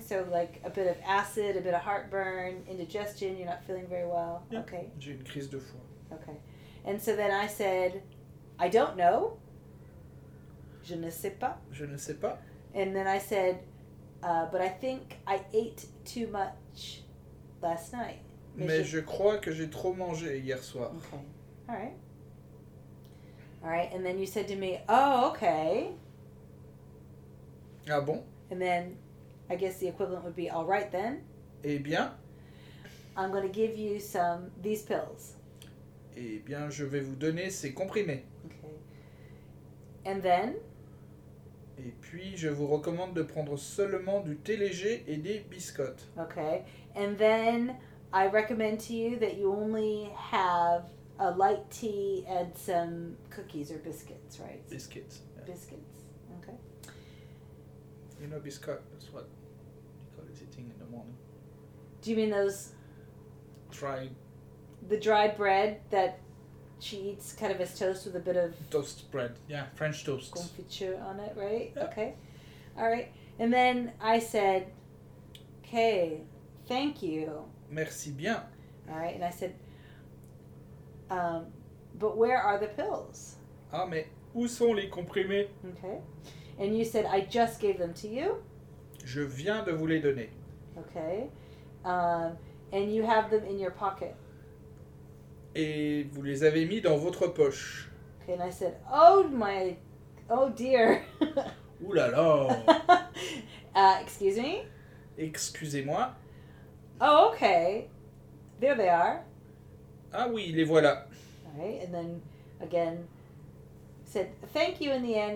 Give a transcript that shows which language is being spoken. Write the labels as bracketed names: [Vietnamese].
[English] So like a bit of acid, a bit of heartburn, indigestion, you're not feeling very well. Yeah. Okay. [French] J'ai une crise de foie. [English] Okay. And so then I said, I don't know. [French] Je ne sais pas. Je ne sais pas. [English] And then I said, but I think I ate too much last night. [French] Mais je crois que j'ai trop mangé hier soir. [English] Okay. All right. All right, and then you said to me, oh, okay. [French] Ah bon? [English] And then, I guess the equivalent would be, all right then. [French] Eh bien? [English] I'm going to give you some, these pills. [French] Eh bien, je vais vous donner ces comprimés. [English] Okay. And then? [French] Et puis, je vous recommande de prendre seulement du thé léger et des biscottes. [English] Okay. And then, I recommend to you that you only have a light tea and some cookies or biscuits, right? Biscuits. Yeah. Biscuits, okay. You know, biscuit, that's what Nicole is eating in the morning. Do you mean those? Dried. The dry bread that she eats kind of as toast with a bit of toast bread, yeah, French toast. Confiture on it, right? Yeah. Okay. All right. And then I said, okay, thank you. [French] Merci bien. [English] All right. And I said, but where are the pills? [French] Ah, mais où sont les comprimés? [English] Okay. And you said, I just gave them to you. [French] Je viens de vous les donner. [English] Okay. And you have them in your pocket. [French] Et vous les avez mis dans votre poche. [English] Okay, and I said, oh my, oh dear. [French] Ouh là là. [English] excuse me? [French] Excusez-moi. [English] Oh, okay. There they are. [French] Ah oui, les voilà. [English] All right, and then again, said thank you in the end.